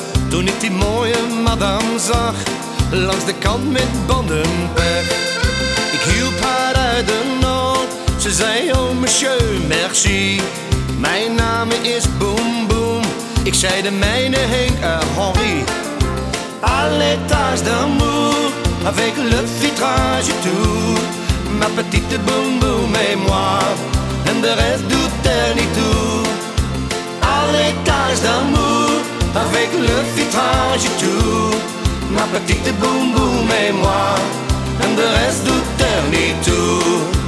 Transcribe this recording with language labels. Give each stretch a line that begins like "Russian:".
Dutch: Toen ik die mooie madame zag, langs de kant met bandenpech. Ik hielp haar uit de nood, ze zei
French: oh monsieur merci.
Dutch: Mijn naam is Boom Boom, ik zei de mijne Henk Henri.
French: A l'étage d'amour, avec le vitrage tout. Ma petite Boom Boom et moi,
Dutch: en de rest doet er niet toe.
French: A l'étage d'amour, avec le vitrage tout. Ma petite Boom Boom et moi,
Dutch: en de rest doet er niet toe.